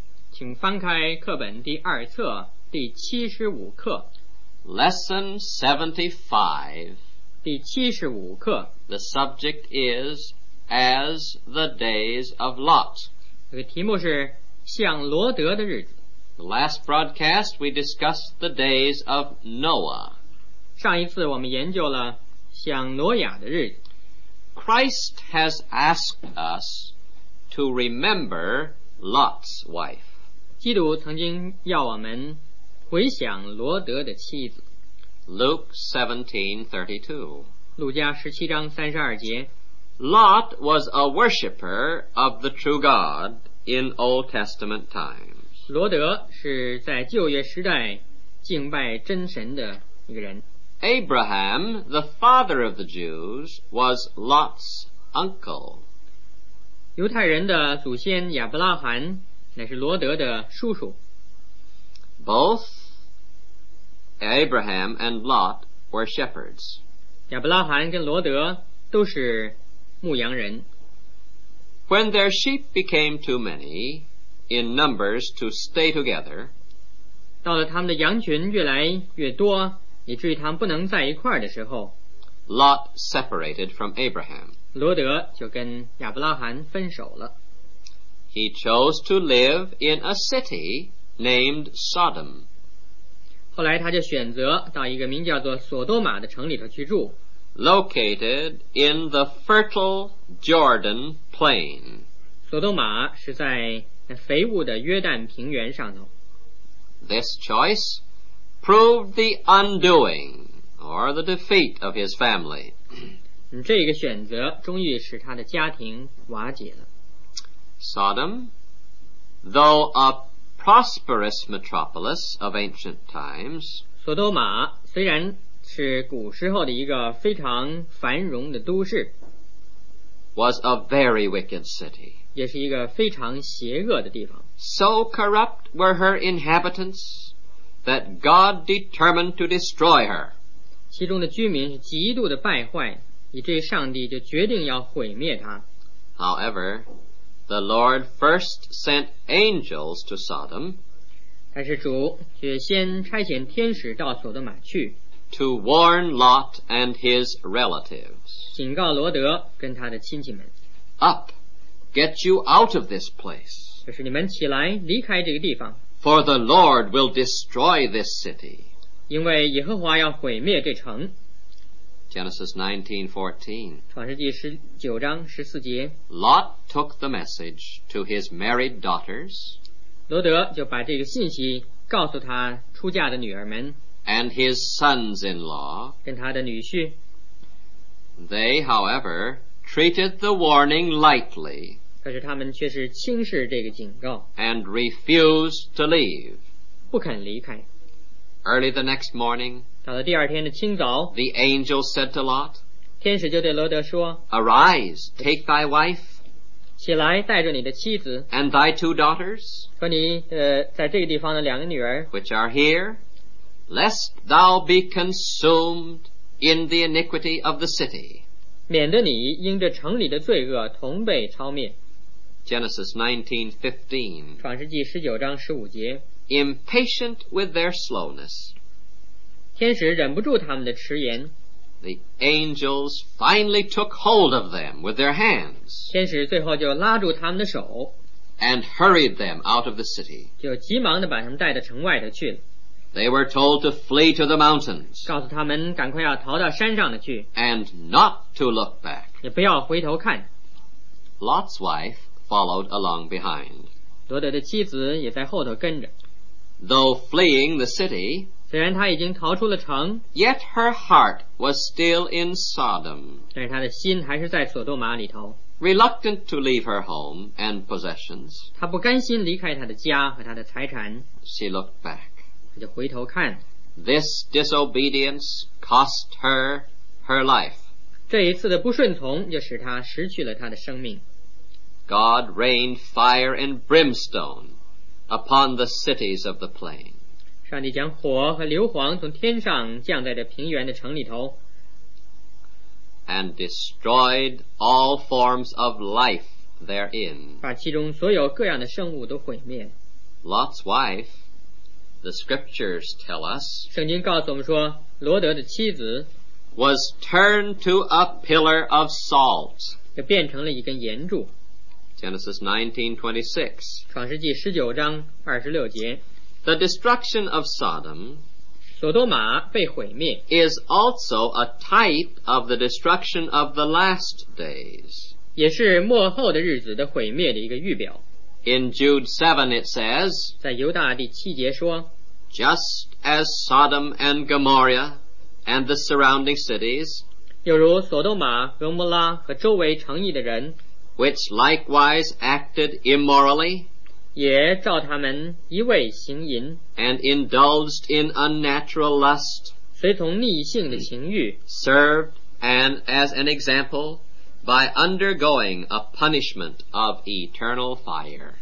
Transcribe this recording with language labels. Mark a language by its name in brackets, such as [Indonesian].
[Chinese] 请翻开课本第二册第75课。 [English] Lesson 75, [Chinese] 第75课。 [English] The subject isAs the days of Lot. [Chinese] 这个题目是像罗德的日子。 [English] The last broadcast we discussed the days of Noah. [Chinese] 上一次我们研究了像挪亚的日子。 [English] Christ has asked us to remember Lot's wife. [Chinese] 基督曾经要我们回想罗德的妻子。 [English] Luke 17:32. [Chinese] 路加十七章三十二节。 [English] Lot was a worshipper of the true God in Old Testament times. [Chinese] 罗德是在旧约时代敬拜真神的一个人。 [English] Abraham, the father of the Jews, was Lot's uncle. [Chinese] 犹太人的祖先亚伯拉罕乃是罗德的叔叔。 [English] Both Abraham and Lot were shepherds. [Chinese] 亚伯拉罕跟罗德都是牧羊人。 [English] When their sheep became too many in numbers to stay together, [Chinese] 到了他们的羊群越来越多以至于他们不能在一块儿的时候， [English] Lot separated from Abraham. [Chinese] 罗德就跟亚伯拉罕分手了。 [English] He chose to live in a city named Sodom. [Chinese] 后来他就选择到一个名叫做索多玛的城里头去住。 [English] Located in the fertile Jordan Plain. [Chinese] 索多玛是在肥沃的约旦平原上头。 [English] This choice proved the undoing or the defeat of his family. [Chinese] 这个选择终于使他的家庭瓦解了。 [English] Sodom, though a prosperous metropolis of ancient times, [Chinese] 索多玛虽然是古时候的一个非常繁荣的都市， [English] was a very wicked city, [Chinese] 也是一个非常邪恶的地方。 [English] So corrupt were her inhabitants that God determined to destroy her. [Chinese] 其中的居民是极度的败坏，以至于上帝就决定要毁灭它。 [English] However, the Lord first sent angels to Sodom. [Chinese] 但是主却先差遣天使到索多玛去， [English] to warn Lot and his relatives. [Chinese] 警告罗德跟他的亲戚们。 [English] Up, get you out of this place. [Chinese] 就是你们起来离开这个地方。 [English] For the Lord will destroy this city. [Chinese] 因为耶和华要毁灭这城。 [English] Genesis 19:14. [Chinese] 创世纪十九章十四节。 [English] Lot took the message to his married daughters. [Chinese] 罗德就把这个信息告诉他出嫁的女儿们。 [English] And his sons-in-law, [Chinese] 跟他的女婿。 [English] They, however, treated the warning lightly, [Chinese] 可是他们却是轻视这个警告。 [English] And refused to leave, [Chinese] 不肯离开。 [English] Early the next morning, [Chinese] 到了第二天的清早, [English] the angel said to Lot, [Chinese] 天使就对罗德说, [English] Arise, take thy wife, [Chinese] 起来带着你的妻子, [English] and thy two daughters, [Chinese] 和你, 在这个地方的两个女儿, [English] which are here, lest thou be consumed in the iniquity of the city. [Chinese] 免得你因着城里的罪恶同被抄灭。 [English] Genesis 19:15. [Chinese] 创世纪十九章十五节。 [English] Impatient with their slowness. [Chinese] 天使忍不住他们的迟延。 [English] The angels finally took hold of them with their hands. [Chinese] 天使最后就拉住他们的手。 [English] And hurried them out of the city. [Chinese] 就急忙地把他们带到城外头去了。 [English] They were told to flee to the mountains. [Chinese] 告诉他们赶快要逃到山上的去。 [English] And not to look back. [Chinese] 也不要回头看。 [English] Lot's wife followed along behind. [Chinese] 罗德的妻子也在后头跟着。 [English] Though fleeing the city, [Chinese] 虽然她已经逃出了城, [English] yet her heart was still in Sodom. [Chinese] 但是她的心还是在索多玛里头。 [English] Reluctant to leave her home and possessions, [Chinese] 她不甘心离开她的家和她的财产。 [English] She looked back. [Chinese] 她就回头看。 [English] This disobedience cost her her life. [Chinese] 这一次的不顺从就使她失去了她的生命。 [English] God rained fire and brimstone upon the cities of the plain. [Chinese] 上帝将火和硫磺从天上降在这平原的城里头。 [English] And destroyed all forms of life therein. [Chinese] 把其中所有各样的生物都毁灭。 [English] Lot's wife, the scriptures tell us, [Chinese] 圣经告诉我们说，罗德的妻子 [English] was turned to a pillar of salt. [Chinese] 就变成了一根盐柱。 [English] Genesis 19:26. [Chinese] 创世纪十九章二十六节。 [English] The destruction of Sodom, [Chinese] 索多玛被毁灭, [English] is also a type of the destruction of the last days. [Chinese] 也是末后的日子的毁灭的一个预表。 [English] In Jude 7 it says, [Chinese] 在犹大第七节说, [English] just as Sodom and Gomorrah and the surrounding cities, [Chinese] 又如索多玛、俄摩拉和周围城邑的人。 [English] Which likewise acted immorally, [Chinese] 也照他们一味行淫, [English] and indulged in unnatural lust, [Chinese] 随从逆性的情欲, [English] served and as an example by undergoing a punishment of eternal fire,